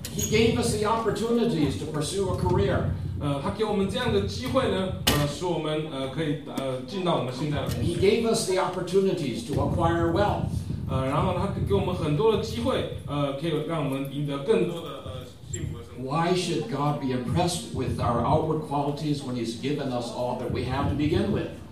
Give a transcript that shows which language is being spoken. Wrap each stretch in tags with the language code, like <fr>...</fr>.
<en>He gave us the opportunities to pursue a career.</en> <zh>他给我们这样的机会呢，使我们可以进到我们现在的公司。</zh> <en>He gave us the opportunities to acquire wealth.</en> <zh>然后他给我们很多的机会，可以让我们赢得更多的幸福的生活。</zh> <en>Why should God be impressed with our outward qualities when He's given us all that we have to begin with?</en>